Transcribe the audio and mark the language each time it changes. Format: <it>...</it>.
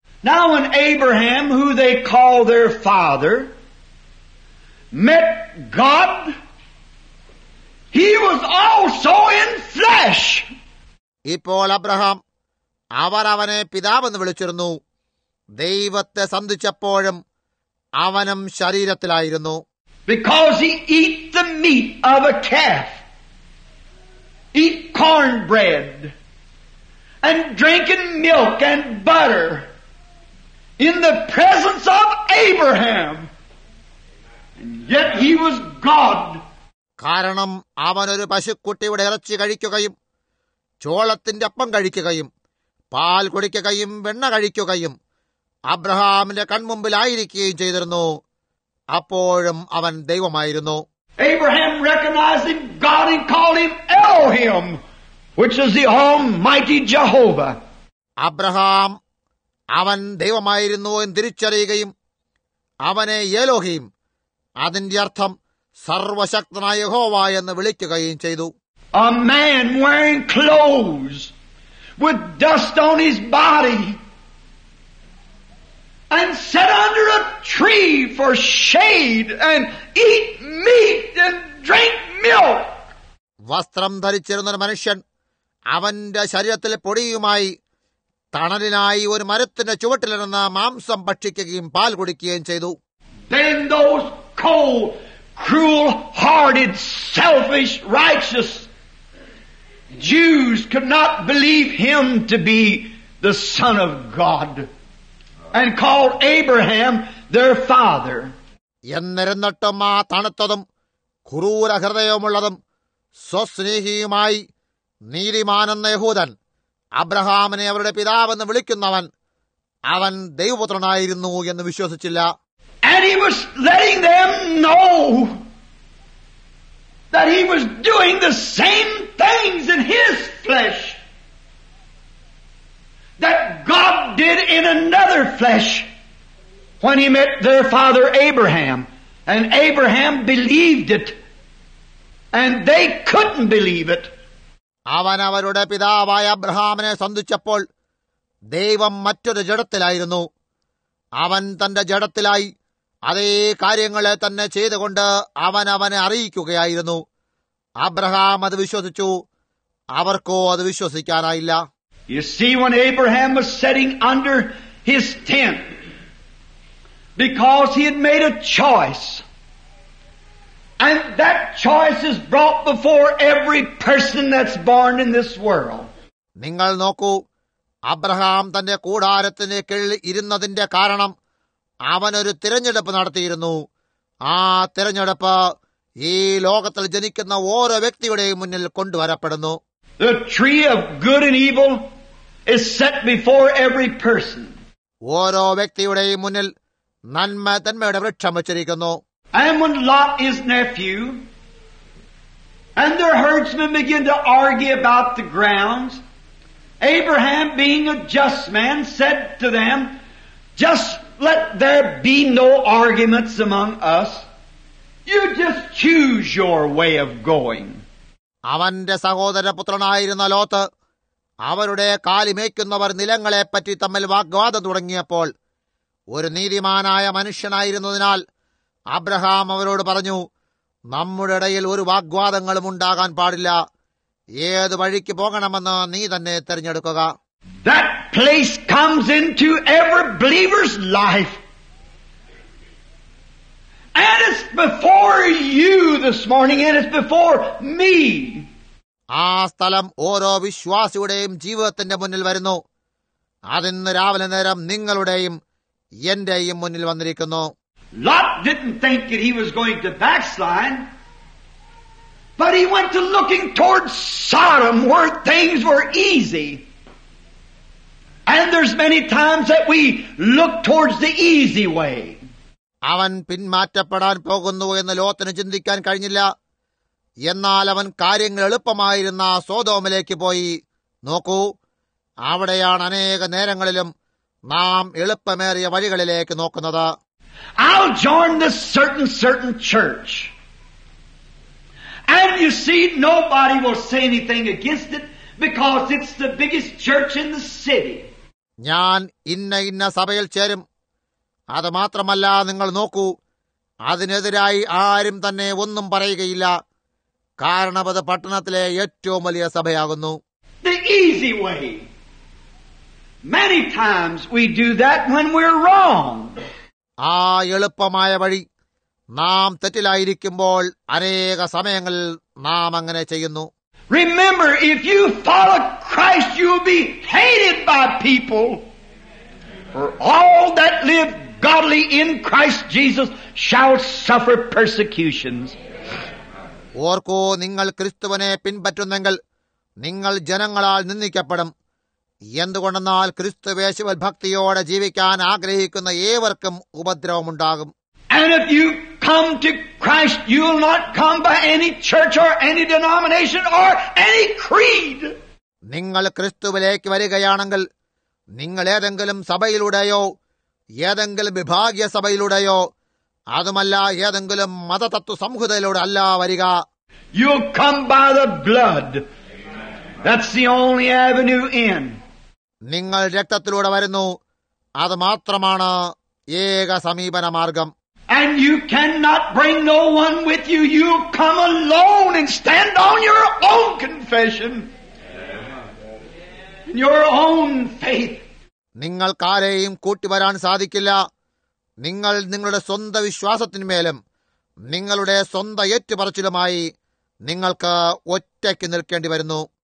<en>Now when Abraham, who they call their father, met God, he was also in flesh.</en> <ml>ഇപ്പോൾ Abraham അവർ അവനെ പിതാവെന്ന് വിളിച്ചിരുന്നു. ദൈവത്തെ സന്ധിച്ചപ്പോഴും അവനും ശരീരത്തിലായിരുന്നു.</ml> <en>Because he ate the meat of a calf, eat cornbread, and drinking milk and butter in the presence of Abraham. And yet he was God.</en> <ml>കാരണം അവൻ ഒരു പശുക്കുട്ടിയുടെ ഇറച്ചി കഴിക്കുകയും ചോളത്തിന്റെ അപ്പം കഴിക്കുകയും പാൽ കുടിക്കുകയും വെണ്ണ കഴിക്കുകയും അബ്രഹാമിന്റെ കൺമുമ്പിലായിരിക്കുകയും ചെയ്തിരുന്നു. അപ്പോഴും അവൻ ദൈവമായിരുന്നു.</ml> <en>Abraham recognized him, God, and called him Elohim, which is the Almighty Jehovah.</en> <ml>Abraham അവൻ ദൈവമായിരുന്നു എന്ന് തിരിച്ചറിയുകയും അവനെ എലോഹീം, അതിന്റെ അർത്ഥം സർവശക്തനായ യഹോവ എന്ന് വിളിക്കുകയും ചെയ്തു.</ml> <en>A man wearing clothes with dust on his body and sit under a tree for shade and eat meat and drink milk.</en> <ml>വസ്ത്രം ധരിച്ചിരുന്ന ഒരു മനുഷ്യൻ അവന്റെ ശരീരത്തിലെ പൊടിയുമായി തണലിനായി ഒരു മരത്തിന്റെ ചുവട്ടിലിരുന്ന് മാംസം ഭക്ഷിക്കുകയും പാൽ കുടിക്കുകയും ചെയ്തു.</ml> <en>Then those cold, cruel-hearted, selfish, righteous Jews could not believe him to be the Son of God and called Abraham their father.</en> <ml>എന്നിരുന്നിട്ടും ആ തണുത്തതും ക്രൂര ഹൃദയമുള്ളതും സ്വസ്നേഹിയുമായി നീതിമാനെന്ന യഹൂദൻ അബ്രഹാമിനെ അവരുടെ പിതാവെന്ന് വിളിക്കുന്നവൻ അവൻ ദൈവപുത്രനായിരുന്നു എന്ന് വിശ്വസിച്ചില്ല.</ml> <en>And he was letting them know that he was doing the same things in his flesh that God did in another flesh when he met their father Abraham, and Abraham believed it and they couldn't believe it.</en> <ml>അവനവരുടെ പിതാവായ അബ്രഹാമിനെ സന്ധിച്ചപ്പോൾ ദൈവം മറ്റൊരു ജഡത്തിലായിരുന്നു. അവൻ തന്റെ ജഡത്തിലായി അതേ കാര്യങ്ങളെ തന്നെ ചെയ്തുകൊണ്ട് അവനവനെ അറിയിക്കുകയായിരുന്നു. അബ്രഹാം അത് വിശ്വസിച്ചു. അവർക്കോ അത് വിശ്വസിക്കാനായില്ല.</ml> <en>You see, when Abraham was sitting under his tent, because he had made a choice, and that choice is brought before every person that's born in this world.</en> <ml>നിങ്ങൾ നോക്കൂ, അബ്രഹാം തന്റെ കൂടാരത്തിന് കീഴിൽ ഇരുന്നതിന്റെ കാരണം അവനൊരു തിരഞ്ഞെടുപ്പ് നടത്തിയിരുന്നു. ആ തിരഞ്ഞെടുപ്പ് ഈ ലോകത്തിൽ ജനിക്കുന്ന ഓരോ വ്യക്തിയുടെയും മുന്നിൽ കൊണ്ടുവരപ്പെടുന്നു.</ml> <en>The tree of good and evil is set before every person.</en> <ml>ഓരോ വ്യക്തിയുടെയും മുന്നിൽ നന്മ തന്മയുടെ വൃക്ഷം വച്ചിരിക്കുന്നു.</ml> <en>Ammon Lot is nephew, and their herdsmen begin to argue about the grounds. Abraham, being a just man, said to them, just let there be no arguments among us. You just choose your way of going.</en> <ml>അവന്റെ സഹോദരപുത്രനായിരുന്ന Lot അവരുടെ കാലിമേയ്ക്കുന്നവർ നിലങ്ങളെപ്പറ്റി തമ്മിൽ വാഗ്വാദം തുടങ്ങിയപ്പോൾ ഒരു നീതിമാനായ മനുഷ്യനായിരുന്നതിനാൽ Abraham അവരോട് പറഞ്ഞു, നമ്മുടെ ഇടയിൽ ഒരു വാഗ്വാദങ്ങളും ഉണ്ടാകാൻ പാടില്ല. ഏത് വഴിക്ക് പോകണമെന്ന് നീ തന്നെ തിരഞ്ഞെടുക്കുക.</ml> <en>That place comes into every believer's life. And it's before you this morning, and it's before me.</en> <ml>ആ സ്ഥലം ഓരോ വിശ്വാസിയുടെയും ജീവിതത്തിന്റെ മുന്നിൽ വരുന്നു. അതിന്ന് രാവിലെ നേരം നിങ്ങളുടെയും എന്റെയും മുന്നിൽ വന്നിരിക്കുന്നു.</ml> <en>Lot didn't think that he was going to backslide, but he went to looking towards Sodom, where things were easy. And there's many times that we look towards the easy way.</en> <ml>അവൻ പിന്മാറ്റപ്പെടാൻ പോകുന്നു എന്ന് ലോത്തിന് ചിന്തിക്കാൻ കഴിഞ്ഞില്ല. എന്നാൽ അവൻ കാര്യങ്ങൾ എളുപ്പമായിരുന്ന സോദോമിലേക്ക് പോയി. നോക്കൂ, അവിടെയാണ് അനേക നേരങ്ങളിലും നാം എളുപ്പമേറിയ വഴികളിലേക്ക് നോക്കുന്നത്.</ml> <en>I'll join this certain church. And you see, nobody will say anything against it because it's the biggest church in the city.</en> <ml>ഞാൻ ഇന്ന സഭയിൽ ചേരും. അത് മാത്രമല്ല, നിങ്ങൾ നോക്കൂ, അതിനെതിരായി ആരും തന്നെ ഒന്നും പറയുകയില്ല. കാരണം അത് പട്ടണത്തിലെ ഏറ്റവും വലിയ സഭയാകുന്നു.</ml> <en>The easy way. Many times we do that when we're wrong.</en> <ml>ആ എളുപ്പമായ വഴി നാം തെറ്റിലായിരിക്കുമ്പോൾ അനേക സമയങ്ങളിൽ നാം അങ്ങനെ ചെയ്യുന്നു.</ml> <en>Remember, if you follow Christ, you'll be hated by people. For all that live godly in Christ Jesus shall suffer persecutions.</en> <ml>ഓർക്കോ, നിങ്ങൾ ക്രിസ്തുവിനെ പിൻപറ്റുന്നെങ്കിൽ നിങ്ങൾ ജനങ്ങളാൽ നിന്ദിക്കപ്പെടും. എന്തുകൊണ്ടെന്നാൽ ക്രിസ്തു യേശുവിൽ ഭക്തിയോടെ ജീവിക്കാൻ ആഗ്രഹിക്കുന്ന ഏവർക്കും ഉപദ്രവമുണ്ടാകും.</ml> <en>And if you come to Christ, you will not come by any church or any denomination or any creed.</en> <ml>നിങ്ങൾ ക്രിസ്തുവിലേക്ക് വരികയാണെങ്കിൽ നിങ്ങൾ ഏതെങ്കിലും സഭയിലൂടെയോ ഏതെങ്കിലും വിഭാഗീയ സഭയിലൂടെയോ അതുമല്ല ഏതെങ്കിലും മതതത്വ സംഹിതയിലൂടെ അല്ല വരിക.</ml> <en>You come by the blood. That's the only avenue in.</en> <ml>നിങ്ങൾ രക്തത്തിലൂടെ വരുന്നു. അത് മാത്രമാണ് ഏക സമീപന മാർഗം.</ml> <en>And you cannot bring no one with you. You come alone and stand on your own confession. In your own faith.</en> <ml>നിങ്ങൾക്കാരെയും കൂട്ടിവരാൻ സാധിക്കില്ല. നിങ്ങൾ നിങ്ങളുടെ സ്വന്തം വിശ്വാസത്തിന്മേലും നിങ്ങളുടെ സ്വന്തം ഏറ്റുപറച്ചിലുമായി നിങ്ങൾക്ക് ഒറ്റയ്ക്ക് നിൽക്കേണ്ടി വരുന്നു.</ml>